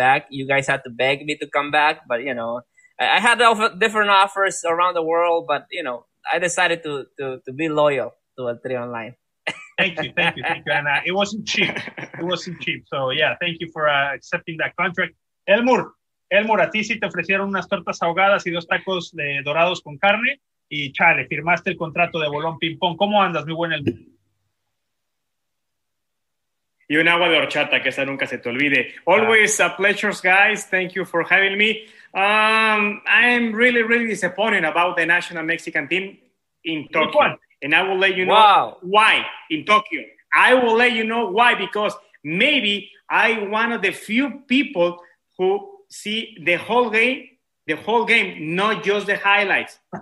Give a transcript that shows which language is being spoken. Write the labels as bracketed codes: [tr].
[en] You guys had to beg me to come back, but, you know, I had different offers around the world, but, you know, I decided to be loyal to El Tri Online. Thank you. And it wasn't cheap. So, yeah, thank you for accepting that contract. [es] Elmur, a ti sí te ofrecieron unas tortas ahogadas y dos tacos de dorados con carne. Y, chale, firmaste el contrato de Bolón Ping Pong. ¿Cómo andas, mi buen Elmur? Y un agua de horchata, que esa nunca se te olvide. [en] Always a pleasure, guys. Thank you for having me. I am really, really disappointed about the national Mexican team in Tokyo. And I will let you know why in Tokyo. I will let you know why, because maybe I'm one of the few people who see the whole game, not just the highlights.